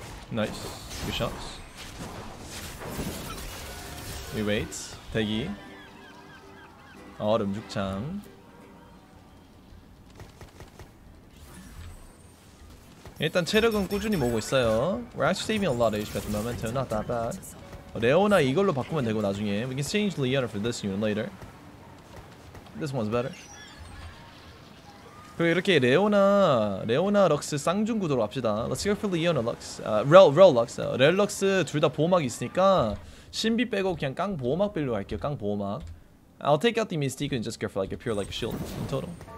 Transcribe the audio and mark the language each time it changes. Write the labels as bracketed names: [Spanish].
[English] 나이스. Good shots. We wait. [Korean] 대기. 얼음 죽창. 일단 체력은 꾸준히 모으고 있어요. [English] We're actually saving a lot of HP at the moment, so not that bad. [Korean] 레오나 이걸로 바꾸면 되고 나중에. [English] We can change Leona for this unit later. This one's better. [Korean] 그리고 이렇게 레오나 럭스 쌍중 구도로 갑시다. [English] Let's go for Leona Lux. Rel Lux. [Korean] Rel Lux 둘 다 보호막 있으니까 신비 빼고 그냥 깡 보호막 빌로 갈게요. 깡 보호막. [English] I'll take out the Mystique and just go for like a pure like a shield in total.